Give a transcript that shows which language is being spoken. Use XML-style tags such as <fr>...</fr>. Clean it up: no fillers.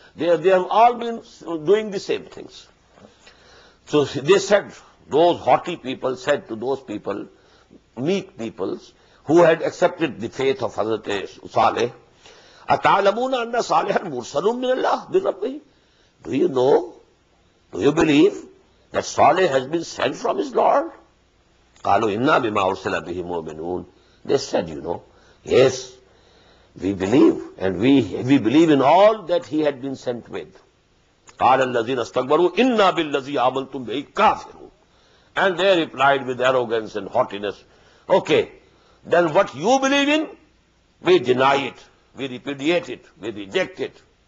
<en>They have all been doing the same things. So they said, those haughty people said to those people, meek peoples who had accepted the faith of Hazrat Salih,</en> <ar>أَتَعْلَمُونَ أَنَّ صَالِحًا مُرْسَلٌ مِّنَ اللَّهِ بِرَبِّهِ,</ar> <en>do you know, do you believe that Salih has been sent from his Lord?</en> <ar>قالوا إنا بما أرسل به مؤمنون.</ar> <en>They said, you know, yes, we believe, and we believe in all that he had been sent with.</en> <ar>قال الذين استكبروا إنا بالذي آمنتم به كافرون.</ar> <en>And they replied with arrogance and haughtiness, okay, then what you believe in, we deny it, we repudiate it, we reject it.</en>